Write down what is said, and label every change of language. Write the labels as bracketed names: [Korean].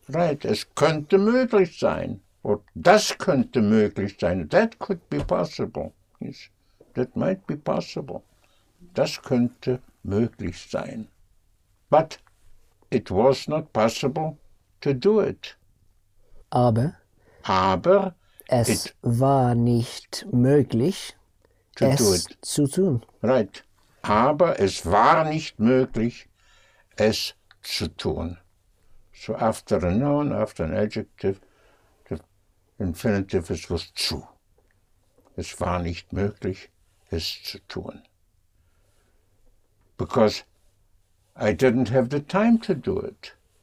[German] Right, es könnte möglich sein. Or das könnte möglich sein. [English] That could be possible. Yes. That might be possible. [German] Das könnte möglich sein. [English] But it was not possible to do it. [German] Aber es war nicht möglich, es zu tun. [English] Right. [German] Aber es war nicht möglich, es zu tun. [English] So after a noun, after an adjective, the infinitive is with zu. [German] Es war nicht möglich, es zu tun. [English] Because I didn't have the time to do it.